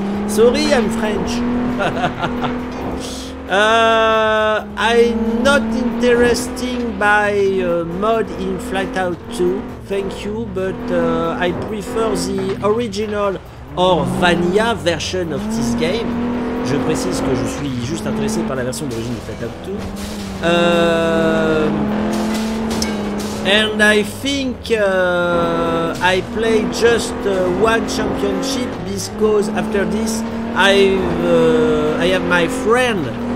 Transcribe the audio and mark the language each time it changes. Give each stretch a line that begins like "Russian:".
English: Sorry, I'm French. I'm not interested by mod in Flightout 2. Thank you, but I prefer the original or vanilla version of this game.
French: Je précise que je suis juste intéressé par la version d'origine de Flatout 2.
English: And I think I play just one championship because after this I have my friend